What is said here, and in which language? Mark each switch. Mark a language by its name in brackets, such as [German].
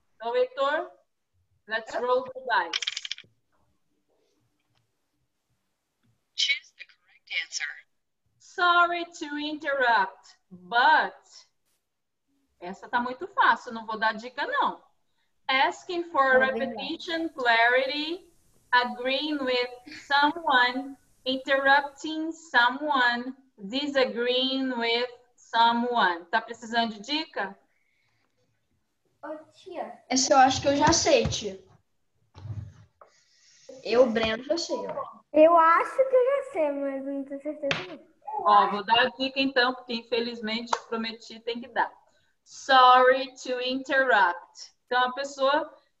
[English] Então, Heitor, let's roll the dice. Choose the correct answer. Sorry to interrupt, but... [Portuguese] Essa tá muito fácil, não vou dar dica, não. [English] Asking for a repetition, clarity, agreeing with someone, interrupting someone, disagreeing with someone. [Portuguese] Tá precisando de dica? Ô, tia. Essa eu acho que eu já sei, tia. Eu, Breno, já sei. Eu acho que eu já sei, mas não tenho certeza. Ó, vou dar a dica então, porque infelizmente eu prometi, tem que dar. [English] Sorry to interrupt. [Portuguese] Então, a pessoa